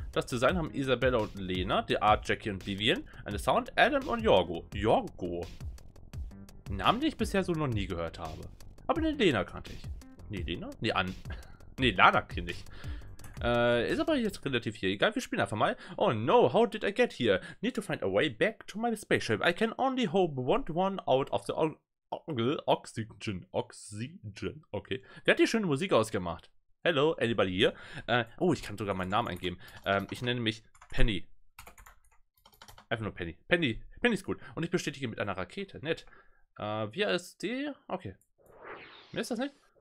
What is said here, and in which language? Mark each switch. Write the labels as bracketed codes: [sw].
[de] Das Design haben Isabella und Lena, die Art Jackie und Vivian. Eine Sound Adam und Yorgo. Yorgo? Namen, die ich bisher so noch nie gehört habe. Aber den Lena kannte ich. Lana kenne ich. Ist aber jetzt relativ hier. Egal, wir spielen einfach mal. [en] Oh no, how did I get here? Need to find a way back to my spaceship. I can only hope one out of the oxygen. Oxygen, okay. [de] Wer hat die schöne Musik ausgemacht? [en] Hello, anybody here? [de] Ich kann sogar meinen Namen eingeben. Ich nenne mich Penny. Einfach nur Penny. Penny. Penny ist gut. Und ich bestätige mit einer Rakete. Nett. Wie ist die? Okay. Mir ist das nicht?